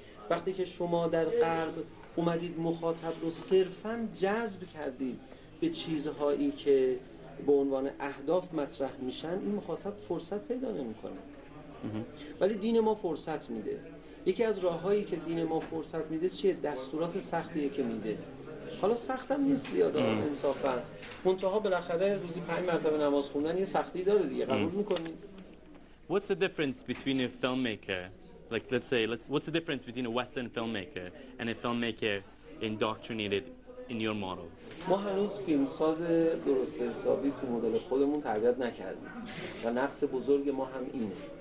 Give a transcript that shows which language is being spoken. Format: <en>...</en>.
<fa>وقتی که شما در قلب اومدید مخاطب رو صرفاً جذب کردید به چیزهایی که به عنوان اهداف مطرح میشن، این مخاطب فرصت پیدا نمی‌کنه. ولی دین ما فرصت میده. یکی از راه‌هایی که دین ما فرصت میده چیه؟ دستورات سختیه که میده. حالا سختم نیست زیاد انصافا، منتها بالاخره روزی 5 مرتبه نماز خوندن یه سختی داره دیگه، قبول می‌کنی؟</fa> <en>What's the difference between a filmmaker, like what's the difference between a Western filmmaker and a filmmaker indoctrinated in your model?</en> <fa>ما هنوز فیلمساز درست حسابی تو مدل خودمون تربیت نکردیم و نقص بزرگ ما هم اینه.</fa>